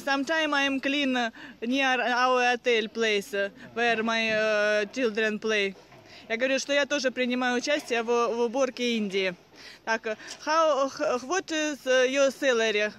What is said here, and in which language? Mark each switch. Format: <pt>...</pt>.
<en>Sometimes I'm clean near our hotel place, where my children play.</en> <ru>Я говорю, что я тоже принимаю участие в уборке Индии.</ru> <en>Так, how, what is your salary?</en>